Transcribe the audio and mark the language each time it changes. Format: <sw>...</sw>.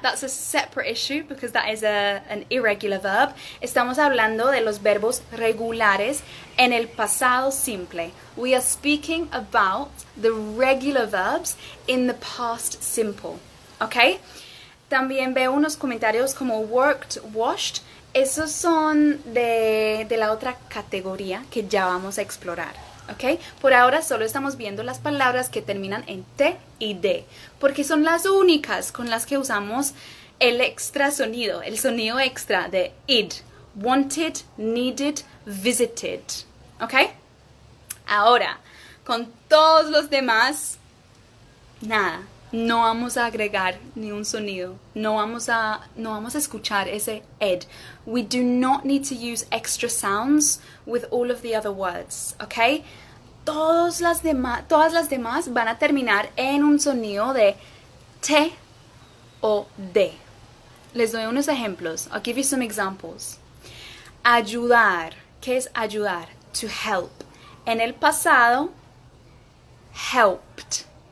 <en>That's a separate issue because that is an irregular verb.</en> <es>Estamos hablando de los verbos regulares en el pasado simple.</es> <en>We are speaking about the regular verbs in the past simple, okay?</en> <es>También veo unos comentarios como worked, washed. Esos son de la otra categoría que ya vamos a explorar, ¿ok? Por ahora solo estamos viendo las palabras que terminan en T y D, porque son las únicas con las que usamos el extra sonido, el sonido extra de id.</es> <en>Wanted, needed, visited, ¿ok?</en> <es>Ahora, con todos los demás, nada. No vamos a agregar ni un sonido. No vamos a escuchar ese ed.</es> <en>We do not need to use extra sounds with all of the other words, okay?</en> <es>Todas las demás van a terminar en un sonido de T o D. Les doy unos ejemplos.</es> <en>I'll give you some examples.</en> <es>Ayudar. ¿Qué es ayudar?</es> <en>To help.</en> <es>En el pasado, helped.</es>